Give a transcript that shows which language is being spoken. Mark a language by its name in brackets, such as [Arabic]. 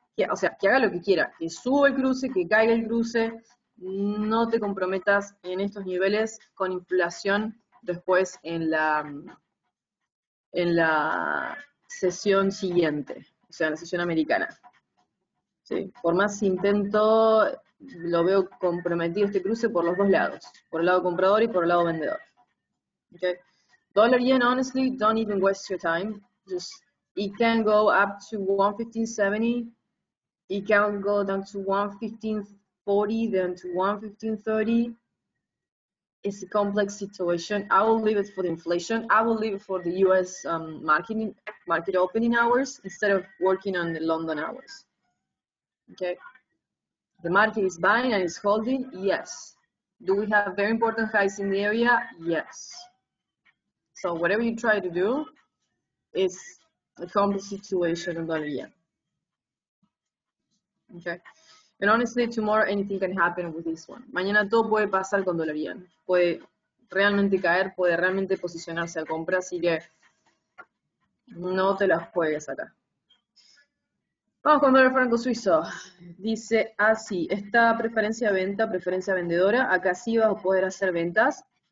[Spanish] O sea, que haga lo que quiera, que suba el cruce, que caiga el cruce, no te comprometas en estos niveles con inflación después en la sesión siguiente, o sea, en la sesión americana. ¿Sí? Por más intento, lo veo comprometido este cruce por los dos lados, por el lado comprador y por el lado vendedor. Okay. [English] Dollar yen, honestly, don't even waste your time. Just, it can go up to 115.70. It can go down to 115.40, then to 115.30. It's a complex situation. I will leave it for the inflation. I will leave it for the US market opening hours instead of working on the London hours. Okay. The market is buying and it's holding. Yes. Do we have very important highs in the area? Yes. So whatever you try to do, it's a complex situation in Bolivia. Okay. And honestly, tomorrow anything can happen with this one. [Spanish] Mañana todo puede pasar con dólar yen. Puede realmente caer, puede realmente posicionarse a compra, así que no te la juegues acá. Vamos con dólar franco suizo. Dice así, esta preferencia venta, preferencia vendedora, acá sí vas a poder hacer ventas.